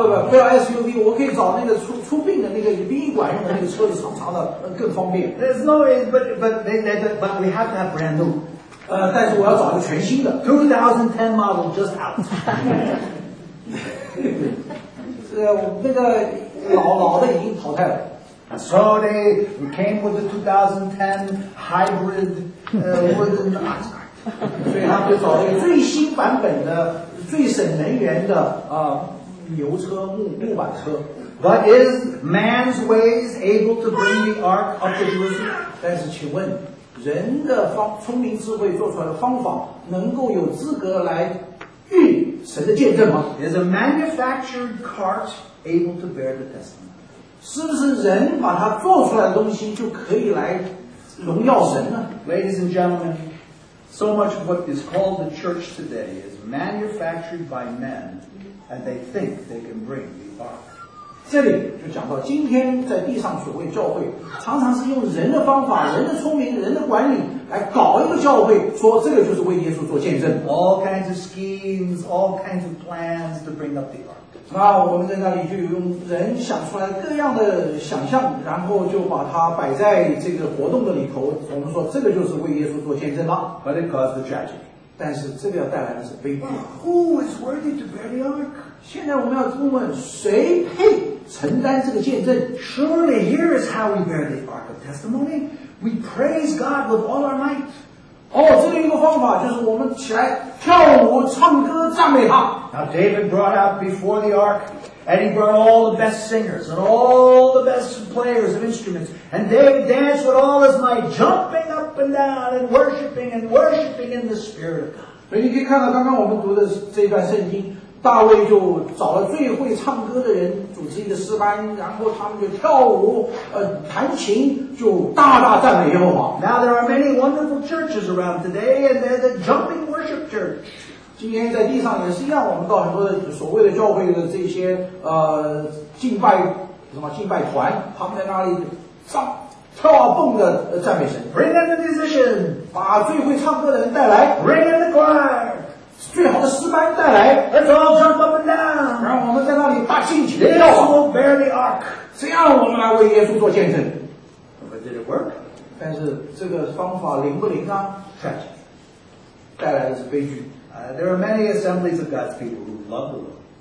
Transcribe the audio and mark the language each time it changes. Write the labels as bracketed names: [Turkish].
[Chinese] 不要 SUV, 我可以找那个出殡的那个殡仪馆用的那个车子，长长的更方便。 [English] There's no way, but we have to have brand new. [Chinese] 但是我要找一个全新的。 [English] 2010 model just out. [Chinese] 那个老的已经淘汰了。 [English] So they came with the 2010 hybrid wooden ox cart. [Chinese] 所以他们就找了一个最新版本的、最省能源的牛车、木板车。 [English] But is man's ways able to bring the ark up to Jerusalem? [Chinese] 但是请问，人的聪明智慧做出来的方法，能够有资格来运？神的见证吗？ [English] Is a manufactured cart able to bear the testimony? [Chinese] 是不是人把它做出来的东西就可以来荣耀神呢？ [English] Ladies and gentlemen, so much of what is called the church today is manufactured by men, and they think they can bring the ark. [Chinese] 这里就讲到今天在地上所谓教会，常常是用人的方法、人的聪明、人的管理来搞一个教会，说这个就是为耶稣做见证。 [English] All kinds of schemes, all kinds of plans to bring up the ark. [Chinese] 那我们在那里就用人想出来各样的想象，然后就把它摆在这个活动的里头。我们说这个就是为耶稣做见证了。 [English] But it caused a tragedy. [Chinese] 但是这个要带来的是悲剧。 [English] Who is worthy to bear the ark? [Chinese] 现在我们要问问谁配承担这个见证。 [English] Surely here is how we bear the ark of testimony. We praise God with all our might. [Chinese] 这里一个方法就是我们起来跳舞、唱歌、赞美他。 [English] Now David brought out before the ark, and he brought all the best singers and all the best players of instruments, and David danced with all his might, jumping up and down and worshiping in the spirit of God. [Chinese] 所以你可以看到刚刚我们读的这段圣经，大卫就找了最会唱歌的人组织一个诗班，然后他们就跳舞、弹琴，就大大赞美耶和华。 [English] Now there are many wonderful churches around today, and they're the jumping worship church. [Chinese] 今天在地上也是一样，我们到很多的所谓的教会的这些敬拜团，他们在那里上跳啊蹦的赞美神。 [English] Bring in the musician, [Chinese] 把最会唱歌的人带来。 [English] Bring in the choir. [Chinese] 最好的诗班带来 [English] ，Let's all jump up and down， [Chinese] 然后我们在那里大尽情跳。 [English] This will bear the ark， [Chinese] 这样我们来为耶稣做见证。 [English] But did it work？ [Chinese] 但是这个方法灵不灵啊 [English] ？Tragic， [Chinese] 带来的是悲剧。 [English] There are many assemblies of God's people who love the Lord。